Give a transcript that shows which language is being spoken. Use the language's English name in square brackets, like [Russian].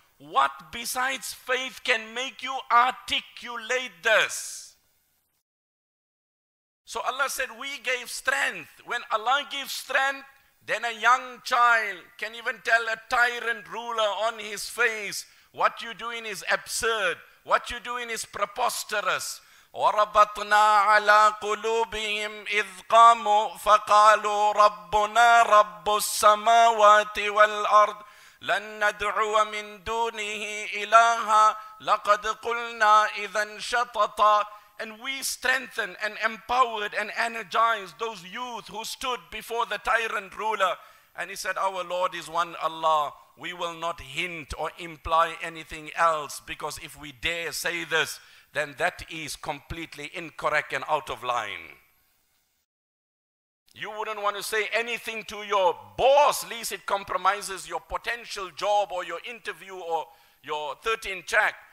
[English] What besides faith can make you articulate this? So Allah said, we gave strength. When Allah gives strength, then a young child can even tell a tyrant ruler on his face, what you're doing is absurd. What you're doing is preposterous. [Arabic] وَرَبَطْنَا عَلَىٰ قُلُوبِهِمْ إِذْ قَامُوا فَقَالُوا رَبُّنَا رَبُّ السَّمَاوَاتِ وَالْأَرْضِ لَن نَدْعُوَ مِن دُونِهِ إِلَهَا لَقَدْ قُلْنَا إِذًا شَطَطَا [English] And we strengthened and empowered and energized those youth who stood before the tyrant ruler. And he said, our Lord is one Allah. We will not hint or imply anything else because if we dare say this, then that is completely incorrect and out of line. You wouldn't want to say anything to your boss, lest it compromises your potential job or your interview or your 13 check.